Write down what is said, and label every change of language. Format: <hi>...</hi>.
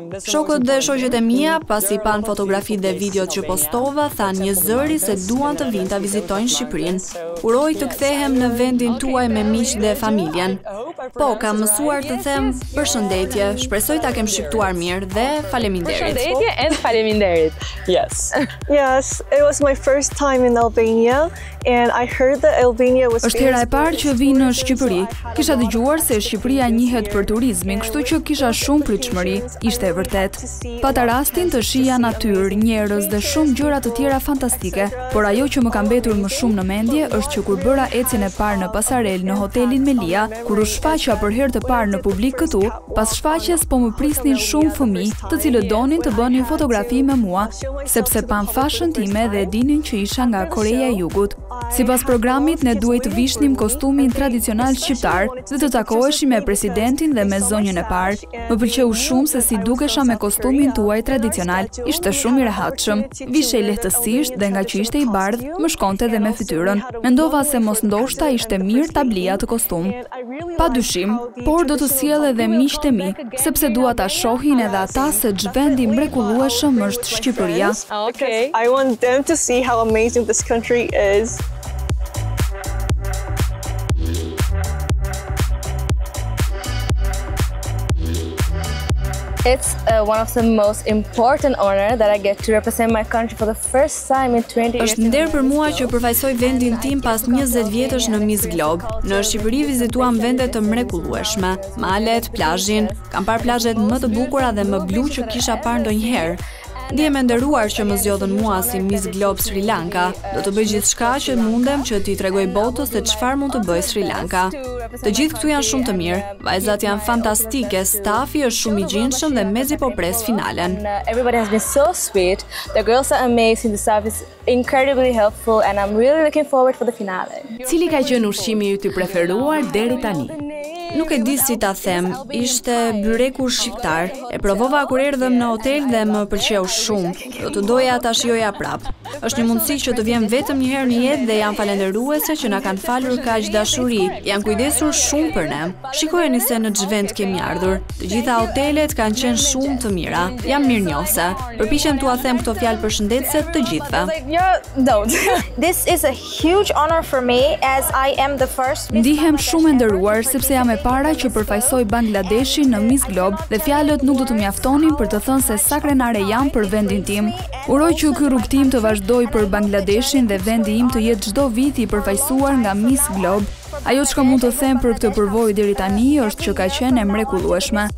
<sq>Shokët dhe shoqjet e mia, pasi pan fotografitë dhe videot që postova, thanë një zëri se duan të vinë ta vizitojnë Shqipërinë. Uroj të kthehem në vendin tuaj me miq dhe familjen. Po, kam mësuar të them përshëndetje. Shpresoj ta kem shqiptuar mirë dhe faleminderit. Përshëndetje and faleminderit.</sq> <en>Yes. Yes, it was my first time in Albania and I heard that Albania was.</en> <sq>Është hera e parë që vi në Shqipëri. Kisha dëgjuar se Shqipëria njihet për turizmin, kështu që kisha shumë pritshmëri. Ishte e vërtet. Pata rastin të shija natyrë, njerëz dhe shumë gjëra të tjera fantastike, por ajo që më ka mbetur më shumë në mendje është që kur bëra ecjen e parë në pasarel në hotelin Melia, kur u shfaqa për herë të parë në publik këtu, pas shfaqjes po më prisnin shumë fëmijë, të cilët donin të bënin fotografi me mua, sepse pan fashën time dhe dinin që isha nga Koreja e Jugut. Sipas programit ne duhej të vishnim kostumin tradicional shqiptar dhe të takoheshim me presidentin dhe me zonjën e parë. Më pëlqeu shumë se si dukesha me kostumin tuaj tradicional. Ishte shumë i rehatshëm. Vishej lehtësisht dhe nga që ishte i bardhë, më shkonte dhe me fytyrën. Mendova se mos ndoshta ishte mirë ta blija atë kostum. Pa dyshim, por do të sjell edhe miqtë e mi, sepse dua ta shohin edhe ata se ç'vendi mrekullueshëm është Shqipëria.</sq> <en>Okay. I want them to see how amazing this country is. It's one of the most important honor that I get to represent my country for the first time in 20 years.</en> <sq>Është nder për mua që përfaqësoj vendin tim pas 20 vjetësh në Miss Globe. Në Shqipëri vizituam vende të mrekullueshme, malet, plazhin. Kam parë plazhet më të bukura dhe më blu që kisha parë ndonjëherë. Ndihem e nderuar që më zgjodhën mua si Miss Globe Sri Lanka. Do të bëj gjithçka që mundem që t'i tregoj botës se çfarë mund të bëj Sri Lanka. Të gjithë këtu janë shumë të mirë. Vajzat janë fantastike, stafi është shumë i gjinshëm dhe mezi po pres finalen.</sq> <en>Everybody has been so sweet. The girls are amazing. The staff is incredibly helpful and I'm really looking forward for the finale.</en> <sq>Cili ka qenë ushqimi yt i preferuar deri tani? Nuk e di si ta them, ishte byreku shqiptar. E provova kur erdhëm në hotel dhe më pëlqeu shumë. Do të doja ta shijoja prap. Është një mundësi që të vjen vetëm një herë në jetë dhe jam falendëruese që na kanë falur kaq dashuri. Janë kujdesur shumë për ne. Shikojeni se në ç'vend kemi ardhur. Të gjitha hotelet kanë qenë shumë të mira. Jam mirënjohëse. Përpiqem t'ua them këto fjalë përshëndetëse të gjithëve.</sq> <en>This is a huge honor for me as I am the first.</en> <sq>Ndihem shumë e nderuar sepse jam e para që përfaqësoj Bangladeshin në Miss Globe dhe fjalët nuk do të mjaftonin për të thënë se sa krenare jam për vendin tim. Uroj që ky rrugëtim të vazhdoj për Bangladeshin dhe vendi im të jetë çdo vit i përfaqësuar nga Miss Globe. Ajo që mund të them për këtë përvojë deri tani është që ka qenë e mrekullueshme.</sq>